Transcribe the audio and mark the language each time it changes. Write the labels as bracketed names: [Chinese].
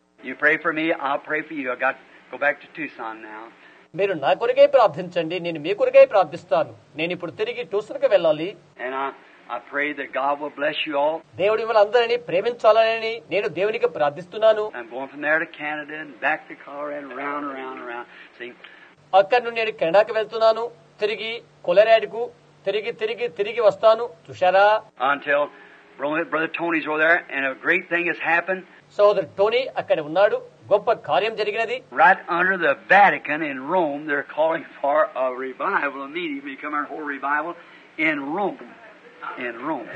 [English] You pray for me, I'll pray for you. I got to go back to Tucson now. [Telugu] మీరు నా కొరకే ప్రార్థించండి, నేను మీ కొరకే ప్రార్థిస్తాను. నేను ఇప్పుడు తిరిగి టూసన్ కి వెళ్ళాలి. [English] And I pray that God will bless you all. [Telugu] దేవుడు మిమ్మల్ని అందరిని ప్రేమించాలని నేను దేవునికి ప్రార్థిస్తున్నాను. [English] I'm going from there to Canada and back to Colorado and round and round and round. See. [Telugu] అక్కడ నుండి నేను కెనడాకి వెళ్తున్నాను, తిరిగి కొలరాడుకు తిరిగి తిరిగి తిరిగి వస్తాను. చూశారా? [English] Until Brother Tony's over there, and a great thing has happened. [Telugu] So the Tony akkada unnadu, goppa karyam jariginadi. [English] Right under the Vatican in Rome, they're calling for a revival, a meeting, become a whole revival in Rome. In Rome.